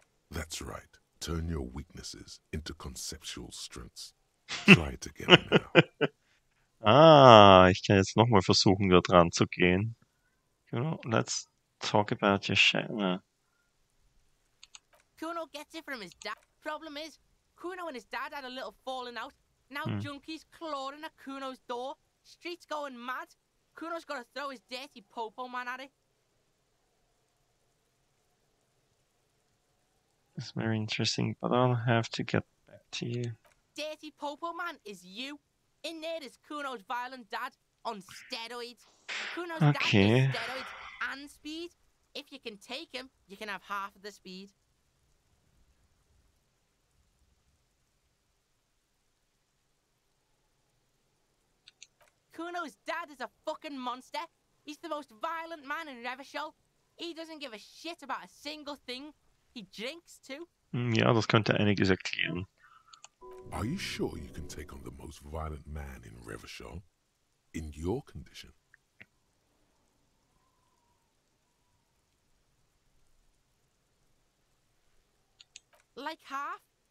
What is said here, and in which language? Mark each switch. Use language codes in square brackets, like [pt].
[en] That's right. Turn your weaknesses into conceptual strengths. Try it again now. [de] ich kann jetzt nochmal versuchen, da dran zu gehen. [en] You know, let's talk about your share. Kuno gets it from his dad. Problem is, Kuno and his dad had a little falling out. Now junkies clawing at Kuno's door. Street's going mad. Kuno's gotta throw his dirty popo man at it. It's very interesting, but I'll have to get back to you. Dirty popo man is you. In there is Kuno's violent dad on steroids. Kuno's dad is steroids and speed. If you can take him, you can have half of the speed. Kuno's dad is a fucking monster. He's the most violent man in Revachol. He doesn't give a shit about a single thing. He drinks too. [de] Ja, das könnte einiges erklären. [en] Are you sure you can take on the most violent man in Revachol? In your condition? Like half?